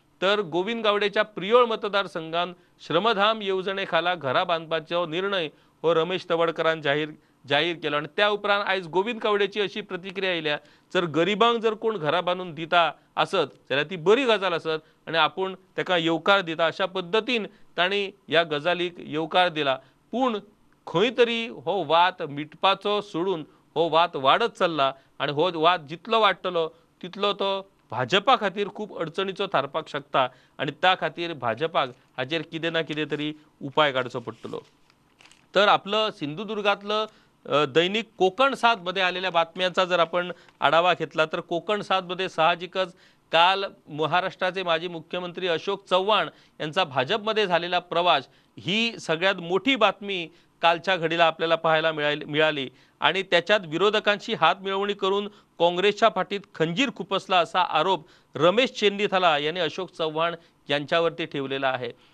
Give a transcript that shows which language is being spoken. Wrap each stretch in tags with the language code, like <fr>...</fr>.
<gom>तर गोविंद गावडेच्या प्रियोळ मतदारसंघान श्रमधाम येवजणे खाला घरां बांदपाचो निर्णय हो रमेश तवडकरान जाहीर केलो. आनी त्या उपरांत आयज गोविंद गावडेची अशी प्रतिक्रिया आयल्या जर गरिबांक जर कोण घरां बांदून दिता आसत जाल्यार ती बरी गजाल आसत आनी आपूण ताका येवकार दिता अशा पद्दतीन तांणी ह्या गजालीक येवकार दिला. पूण खंय तरी हो वाद मिटपाचो सोडून हो वाद वाडत चल्ला आनी हो वाद जितलो वाडटलो तितलो तो भाजपा खातीर खूब अडचणीचो थारपाक शकता आनी त्या खातीर भाजपाक हाचेर कितें ना कितें तरी उपाय काडचो पडटलो.</gom> <mr>तर आपलो सिंधुदुर्गातलो दैनीक कोकण साद मध्ये आलेल्या बातम्यांचा जर आपण आढावा घेतला तर कोकण साद मध्ये साहजिकच काल महाराष्ट्राचे माजी मुख्यमंत्री अशोक चव्हाण यांचा भाजपमध्ये झालेला प्रवास ही सगळ्यात मोठी बातमी कालच्या घडीला आपल्याला पाहायला मिळाली आणि त्याच्यात विरोधकांशी हातमिळवणी करून काँग्रेसच्या पाठीत खंजीर खुपसला असा आरोप रमेश चेन्नीथला यांनी अशोक चव्हाण यांच्यावरती ठेवलेला आहे.</mr>